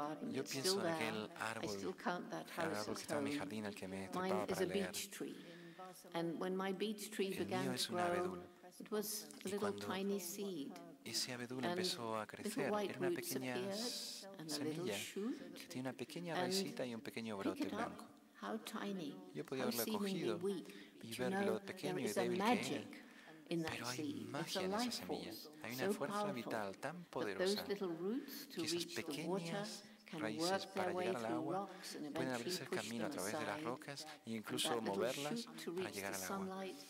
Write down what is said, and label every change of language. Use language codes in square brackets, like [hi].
[es] Yo pienso en aquel árbol, el árbol que estaba en mi jardín, el que me trepaba para leer. [en] And when my beech tree began to grow, it was a little tiny seed. [es] Ese abedul empezó a crecer, era una pequeña semilla que tiene una pequeña raicita y un pequeño brote blanco. Yo podía haberlo cogido y ver lo pequeño y débil que era. Pero hay magia en esa semilla. Hay una fuerza vital tan poderosa que esas pequeñas raíces para llegar al agua pueden abrirse el camino a través de las rocas e incluso moverlas para llegar al agua.